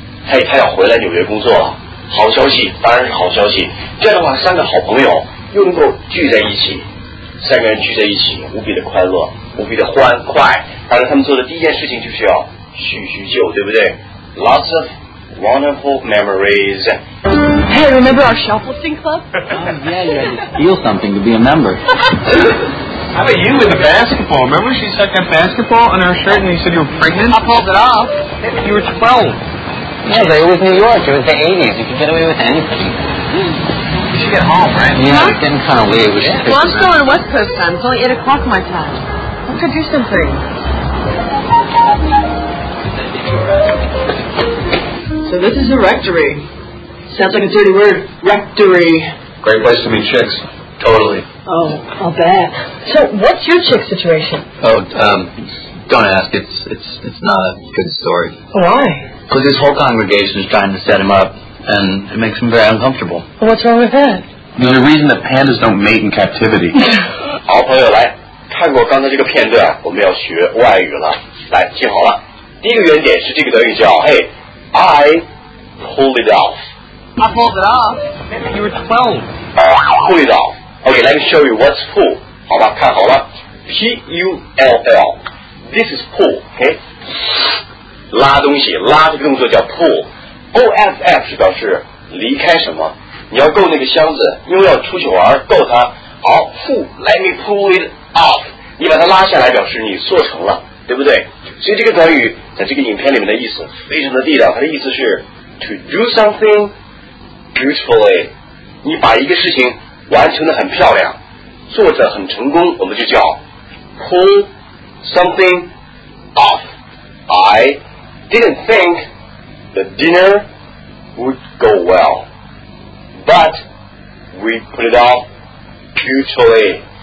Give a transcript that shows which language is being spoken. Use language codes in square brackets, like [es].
[zh] Hey, 她要回来纽约工作了，好消息，当然是好消息。这样的话，三个好朋友又能够聚在一起，三个人聚在一起，无比的快乐，无比的欢快。当然，他们做的第一件事情就是要叙叙旧，对不对 ？ [en] Lots of Wonderful memories. Hey, remember our shoplifting club? Yeah, yeah. It feels something to be a member. How about you with the basketball? Remember she stuck that basketball on her shirt and you said you were pregnant? I pulled it off. You were 12. Yeah, but it was New York. It was the 80s. You could get away with anything. You should get home, right? Yeah, huh? It's getting kind of late. Well, I'm still on West Coast time. It's only 8 o'clock my time. Let's go do something. so this is a rectory. Sounds like a dirty word, rectory. Great place to meet chicks. Totally. Oh, I'll bet. So, what's your chick situation? Don't ask. It's not a good story. Why? Because his whole congregation is trying to set him up, and it makes him very uncomfortable. Well, what's wrong with that? There's a reason that pandas don't mate in captivity. [zh] 好朋友来看过刚才这个片段，我们要学外语了。来，听好了，第一个原点是这个德语叫 [en] Hey, I pulled it off. I pulled it off. You were 12. Pull it off. Okay, let me show you what's pull. [zh] 好吧，看好了。 [en] P U L L. This is pull. Okay. [zh] 拉东西，拉这个动作叫 pull. O F F 是表示离开什么，你要够那个箱子，因为要出去玩，够它。好, [en] let me pull it off. [zh] 你把它拉下来表示你做成了，对不对？所以这个短语在这个影片里面的意思非常的地道，它的意思是 [en] to do something beautifully. [zh] 你把一个事情完成得很漂亮，做得很成功，我们就叫 [en] pull something off. I didn't think the dinner would go well, but we put it off beautifully.